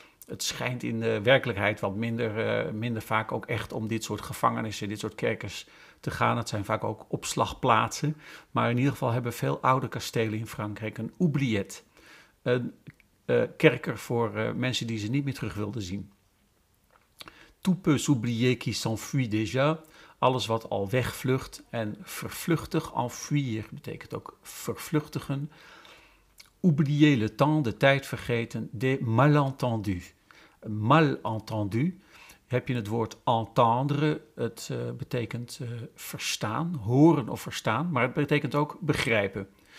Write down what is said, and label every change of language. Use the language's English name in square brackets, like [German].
[Dutch] het schijnt in de werkelijkheid wat minder vaak ook echt om dit soort gevangenissen, dit soort kerkers te gaan. Het zijn vaak ook opslagplaatsen. Maar in ieder geval hebben veel oude kastelen in Frankrijk een oubliette. Een kerker voor mensen die ze niet meer terug wilden zien. [French] Tout peut s'oublier qui s'enfuit déjà. [Dutch] Alles wat al wegvlucht en vervluchtig, enfuir, betekent ook vervluchtigen. [French] Oublier le temps, [Dutch] de tijd vergeten, [French] des malentendus. [Dutch] Malentendu, heb je het woord entendre, het betekent verstaan, horen of verstaan, maar het betekent ook begrijpen.